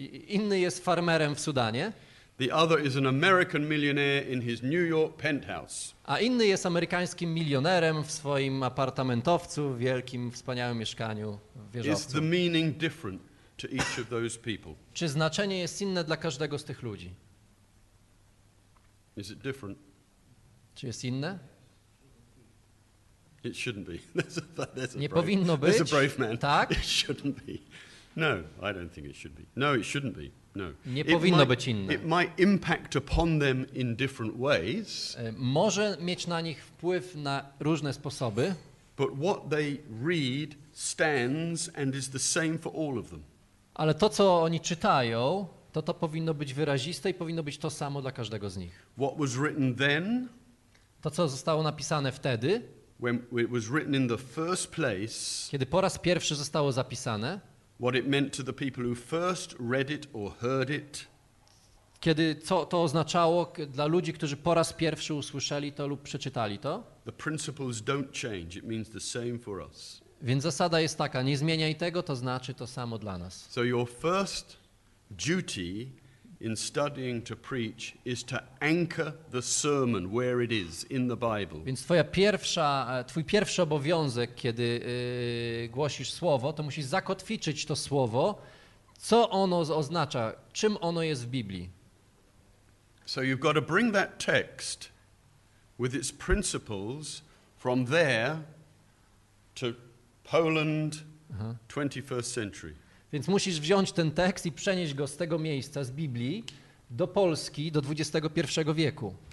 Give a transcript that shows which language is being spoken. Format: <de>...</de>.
<pl>Inny jest farmerem w Sudanie.</pl> <en>The other is an American millionaire in his New York penthouse.</en> <pl>A inny jest amerykańskim milionerem w swoim apartamentowcu, w wielkim, wspaniałym mieszkaniu, wieżowcu.</pl> <en>Is the meaning different to each of those people?</en> <pl>Czy znaczenie jest inne dla każdego z tych ludzi?</pl> <en>Is it different?</en> <pl>Czy jest inne?</pl> <en>It shouldn't be. There's a</en> <pl>Nie</pl> <en>brave.</en> <pl>Powinno być.</pl> <en>There's a brave man.</en> <pl>Tak?</pl> <en>It shouldn't be. No, I don't think it should be. No, it shouldn't be. No.</en> <pl>Nie powinno być inne.</pl> <en>It might impact upon them in different ways.</en> <pl>Może mieć na nich wpływ na różne sposoby.</pl> <en>But what they read stands and is the same for all of them.</en> <pl>Ale to, co oni czytają, to powinno być wyraziste i powinno być to samo dla każdego z nich.</pl> <en>What was written then?</en> <pl>To, co zostało napisane wtedy?</pl> <en>When it was written in the first place.</en> <pl>Kiedy po raz pierwszy zostało zapisane.</pl> <en>What it meant to the people who first read it or heard it.</en> <pl>Kiedy co to oznaczało dla ludzi, którzy po raz pierwszy usłyszeli to lub przeczytali to?</pl> <en>The principles don't change. It means the same for us.</en> <pl>Więc zasada jest taka: nie zmieniaj tego, to znaczy to samo dla nas.</pl> <en>So your first duty in studying to preach is to anchor the sermon where it is in the Bible.</en> <pl>Więc twój pierwszy obowiązek, kiedy głosisz słowo, to musisz zakotwiczyć to słowo, co ono oznacza, czym ono jest w Biblii.</pl> <en>So you've got to bring that text with its principles from there to Poland, 21st century.</en> <pl>Więc musisz wziąć ten tekst i przenieść go z tego miejsca, z Biblii, do Polski, do XXI wieku.</pl>